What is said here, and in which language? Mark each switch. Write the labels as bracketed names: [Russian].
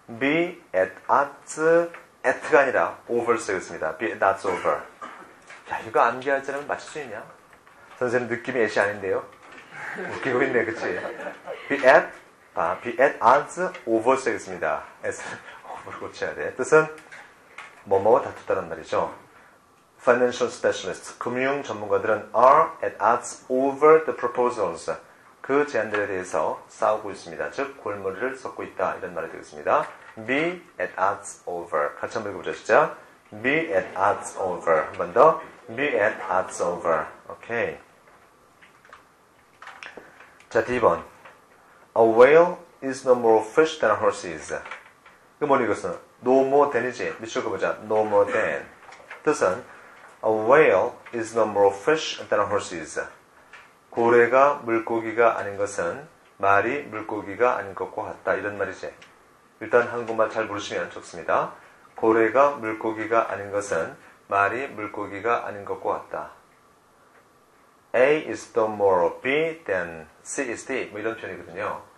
[English] Be at odds at가 [Korean] 아니라 [English] over [Korean] 쓰겠습니다. [English] Be at odds over. [Korean] 야, 이거 암기할 때는 맞출 수 있냐? 선생님 느낌이 애시 아닌데요? 웃기고 있네, 그치? [English] Be at odds over [Korean] 쓰겠습니다. As, over 고쳐야 돼. 뜻은 뭐뭐와 다투다란 말이죠. [English] Financial specialists, [Korean] 금융 전문가들은 [English] are at odds over the proposals. [Korean] 그 제안들에 대해서 싸우고 있습니다. 즉, 골머리를 썩고 있다. 이런 말이 되겠습니다. [English] Be at odds over. [Korean] 같이 한번 읽어보자, 진짜. [English] Be at odds over. [Korean] 한 번 더. [English] Be at odds over. Okay. [Korean] 자, D번. [English] A whale is no more fish than a horse is. [Korean] 그 뭐니, 이것은? [English] No more than [Korean] 이지. 미처 읽어보자. No more than. 뜻은? [English] A whale is no more fish than a horse is. [Korean] 고래가 물고기가 아닌 것은 말이 물고기가 아닌 것과 같다. 이런 말이지. 일단 한국말 잘 모르시면 좋습니다. 고래가 물고기가 아닌 것은 말이 물고기가 아닌 것과 같다. [English] A is no more B than C is D. [Korean] 뭐 이런 표현이거든요.